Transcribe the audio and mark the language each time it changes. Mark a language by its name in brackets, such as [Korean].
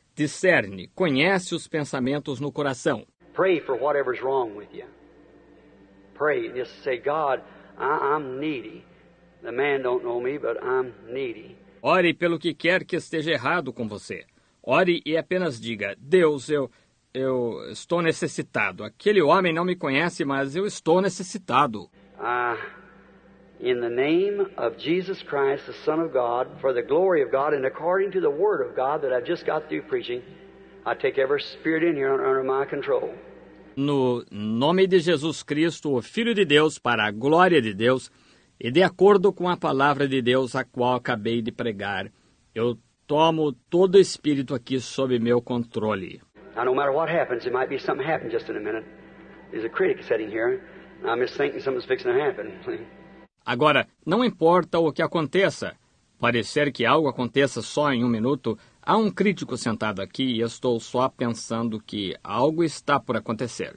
[Portuguese] Discerne, conhece os pensamentos no coração. [English] Pray for whatever's wrong with you. Pray and just say, God, I'm needy. The man don't know me, but I'm needy. [Portuguese] Ore pelo que quer que esteja errado com você. Ore e apenas diga, Deus, eu estou necessitado. Aquele homem não me conhece, mas eu estou necessitado. [English] In the name of Jesus Christ, the Son of God, for the glory of God, and according to the word of God that I just got through preaching, I take every spirit in here under my control. [Portuguese] No nome de Jesus Cristo, o Filho de Deus, para a glória de Deus, e de acordo com a palavra de Deus a qual acabei de pregar, eu tomo todo o espírito aqui sob meu controle. [English] Now, no matter what happens, it might be something happened just in a minute. There's a critic sitting here, and I'm just thinking something's fixing to happen. [Portuguese] Agora, não importa o que aconteça, pode ser que algo aconteça só em um minuto, há um crítico sentado aqui e estou só pensando que algo está por acontecer.